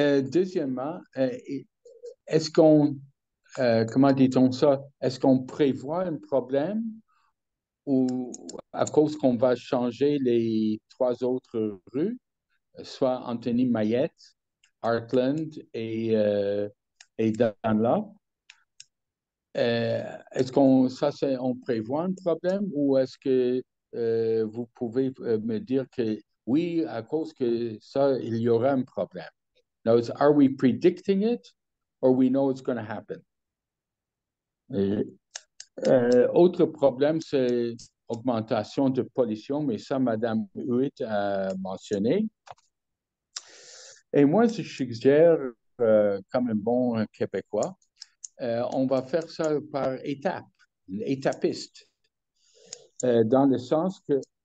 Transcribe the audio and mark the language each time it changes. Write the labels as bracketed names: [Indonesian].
[French] Deuxièmement, est-ce qu'on, comment dit-on ça, est-ce qu'on prévoit un problème ou à cause qu'on va changer les trois autres rues, soit Anthony Mayette, Heartland et Dunlop? Est-ce qu'on ça c'est, on prévoit un problème ou est-ce que vous pouvez me dire que Oui, à cause que ça, il y aura un problème. [English] Now, it's, are we predicting it or we know it's going to happen? [French] Autre problème, c'est augmentation de pollution, mais ça, Madame Huit a mentionné. Et moi, je suggère, comme un bon Québécois, on va faire ça par étape, étapiste, dans le sens que